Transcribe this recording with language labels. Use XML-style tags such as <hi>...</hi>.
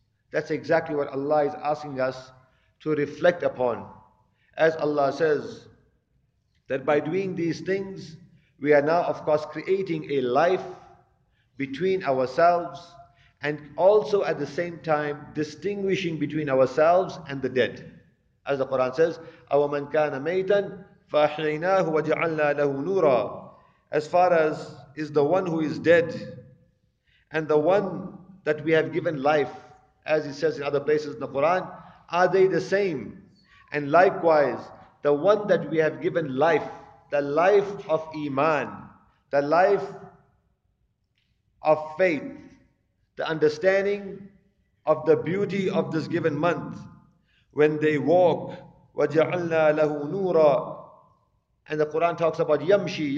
<en>That's exactly what Allah is asking us to reflect upon. As Allah says, that by doing these things, we are now, of course, creating a life between ourselves, and also at the same time distinguishing between ourselves and the dead. As the Quran says,</en> <ar>أَوَمَنْ كَانَ مَيْتًا فَأَحْيَيْنَاهُ وَجَعَلْنَا لَهُ نُورًا.</ar> <en>As far as is the one who is dead and the one that we have given life, as it says in other places in the Quran, are they the same? And likewise, the one that we have given life, the life of Iman, the life of faith, the understanding of the beauty of this given month, when they walk,</en> <ar>وَجَعَلْنَا لَهُ نُورًا,</ar> <en>and the Quran talks about yamshi.</en>